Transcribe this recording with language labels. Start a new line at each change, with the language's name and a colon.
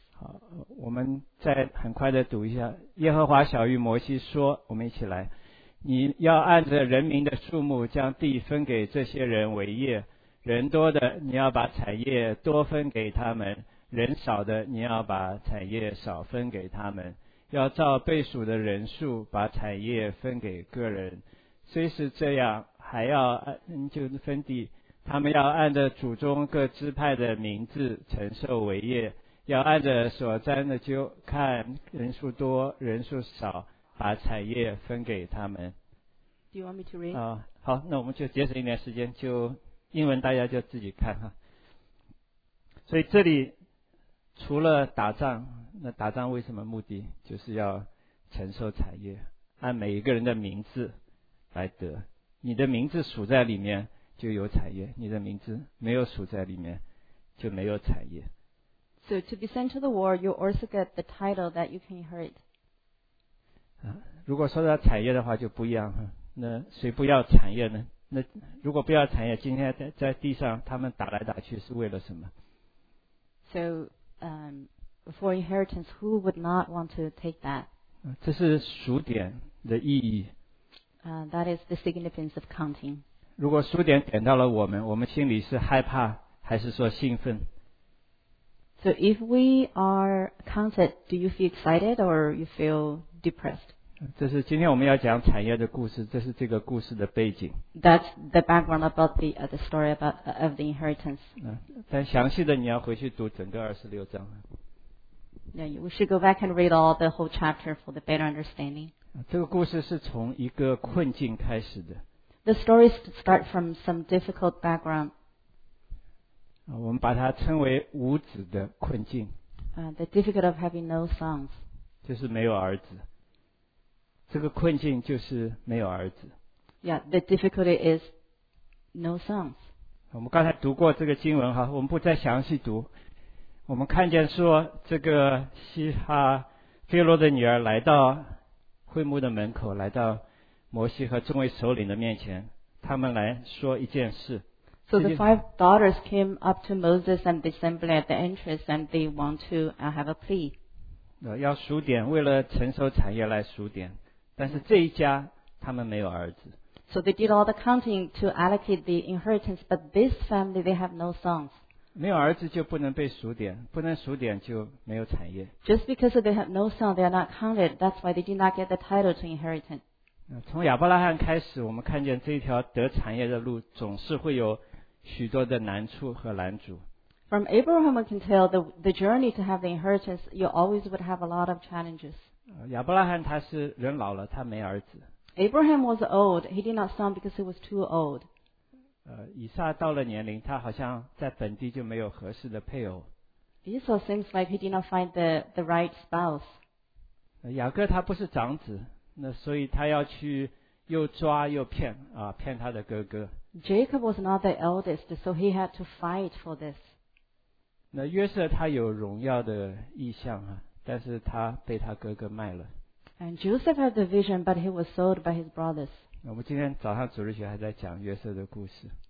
Chinese: 好，我们再很快的读一下。耶和华晓谕摩西说，我们一起来。你要按着人民的数目将地分给这些人为业，人多的你要把产业多分给他们，人少的你要把产业少分给他们，要照倍数的人数把产业分给个人，虽是这样还要就分地，他们要按着祖宗各支派的名字承受为业，要按着所沾的阄，看人数多人数少把产业分给他们。
English: Do you want me to read?
Chinese: 好，那我们就节省一点时间，就英文大家就自己看哈。所以这里除了打仗，那打仗为什么目的？就是要承受产业，按每一个人的名字来得。你的名字数在里面就有产业，你的名字没有数在里面就没有产业。
English: So to be sent to the war, you also get the title that you can inherit.
Chinese: 如果说到产业的话就不一样，那谁不要产业呢？那如果不要产业，今天 在地上他们打来打去是为了什么？
English: So, for inheritance, who would not want to take that?
Chinese: 这是数点的意义。
English: That is the significance of counting.
Chinese: 如果数点点到了我们，我们心里是害怕还是说兴奋？
English: So if we are counted, do you feel excited or you feel depressed?
Chinese: 这是今天我们要讲产业的故事，这是这个故事的背景。
English: That's the background about the story about, of the inheritance.
Chinese: 但详细的你要回去读整个二十六章。
English: Yeah, we should go back and read all the whole chapter for the better understanding.
Chinese: 这个故事是从一个困境开始的。
English: The story starts from some difficult background.
Chinese: 我们把它称为无子的困境。
English: The difficulty of having no sons.
Chinese: 就是没有儿子。这个困境就是没有儿子。
English: Yeah, the difficulty is no sons.
Chinese: 我们刚才读过这个经文哈，我们不再详细读。我们看见说这个西哈菲罗的女儿来到会幕的门口，来到摩西和众位首领的面前，他们来说一件事。
English: So the five daughters came up to Moses and the assembly at the entrance and they want to have a plea.
Chinese: 要数点，为了承受产业来数点，但是这一家他们没有儿子。
English: So they did all the counting to allocate the inheritance, but this family they have no sons.
Chinese: 没有儿子就不能被数点，不能数点就没有产业。
English: Just because they have no son, they are not counted. That's why they did not get the title to inherit it.
Chinese: 从亚伯拉罕开始，我们看见这一条得产业的路总是会有许多的难处和拦阻。
English: From Abraham, we can tell the journey to have the inheritance, you always would have a lot of challenges.
Chinese: 亚伯拉罕他是人老了，他没儿子。
English: Abraham was old. He did not son because he was too old.
Chinese: 以撒到了年龄，他好像在本地就没有合适的配偶。
English: Esau seems like he did not find the right spouse.
Chinese: 雅各他不是长子，那所以他要去又抓又骗啊，骗他的哥哥。
English: Jacob was not the eldest, so he had to fight for this.
Chinese: 那约瑟他有荣耀的意象啊，但是他被他哥哥卖了。
English: And Joseph had the vision, but he was sold by his brothers.
Chinese: 我们今天早上主日学还在讲约瑟的故事。